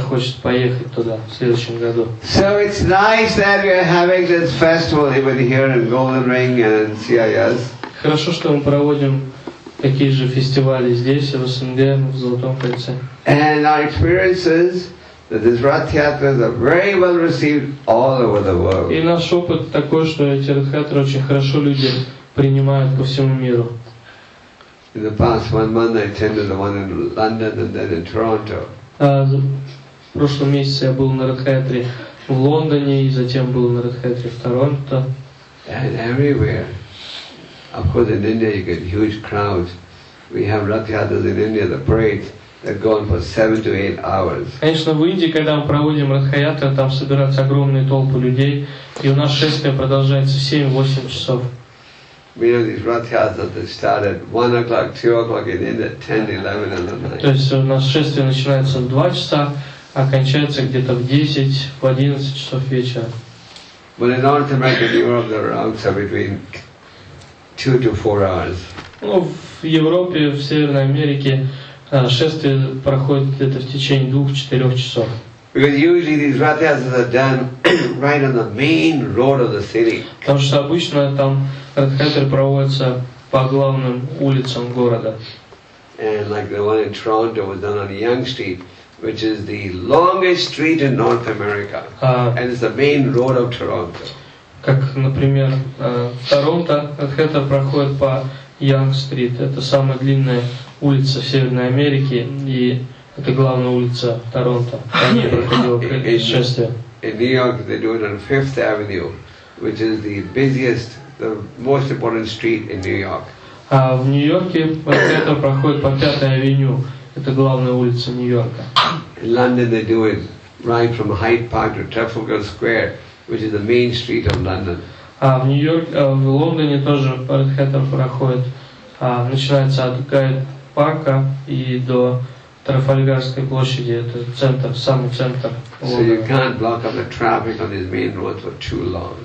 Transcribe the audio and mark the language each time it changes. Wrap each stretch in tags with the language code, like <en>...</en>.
<ru>хочет поехать туда в следующем году.</ru> <en>So it's nice that we're having this festival even here in Golden Ring and CIS.</en> <ru>Хорошо, что мы проводим такие же фестивали здесь, в СНГ, в Золотом кольце.</ru> <en>And our experiences that these Рат-Ятрас are very well received all over the world.</en> <ru>И наш опыт такой, что эти Рат-Ятры очень хорошо люди принимают по всему миру.</ru> <en>In the past 1 month, I attended the one in London and then in Toronto.</en> <ru>В прошлом месяце я был на Радхаятре в Лондоне и затем был на Радхаятре в Торонто.</ru> <en>And everywhere, of course, in India you get huge crowds. We have Радхаятрас in India, the parades that go on for 7 to 8 hours.</en> <ru>Конечно, в Индии, когда мы проводим Радхаятру, там собираются огромные толпы людей, и у нас шествие продолжается 7-8 часов.</ru> <en>We know these Rath-Yatras that start at 1 o'clock, 2 o'clock, and end at 10, 11 in the night.</en> <ru>То есть у нас шествие начинается в 2 часа, окончается где-то в 10-11 часов вечера.</ru> <en>But in North America, Europe, the routes are between 2-4 hours.</en> <ru>Ну, в Европе, в Северной Америке шествие проходит где-то в течение 2-4 часов.</ru> <en>Because usually these ratas are done right on the main road of the city.</en> <ru>Потому что обычно там ратхатры проводятся по главным улицам города.</ru> <en>And like the one in Toronto was done on Yonge Street, which is the longest street in North America, and it's the main road of Toronto.</en> <ru>Как, например, в Торонто ратхатра проходит по Yonge Street. Это самая длинная улица в Северной Америке, и это главная улица Торонто. Там я проходил путешествие.</ru> <en>In New York, they do it on Fifth Avenue, which is the busiest, the most important street in New York.</en> <ru>А в Нью-Йорке ратхатра проходит по Пятой Авеню. Это главная улица Нью-Йорка.</ru> <en>In London, they do it right from Hyde Park to Trafalgar Square, which is the main street of London.</en> <ru>А в Нью-Йорке, в Лондоне тоже ратхатра проходит. Начинается от Гайд Парка и до Трафальгарской площади. Это центр, самый центр Лондона.</ru> <en>So you can't block up the traffic on these main roads for too long.</en>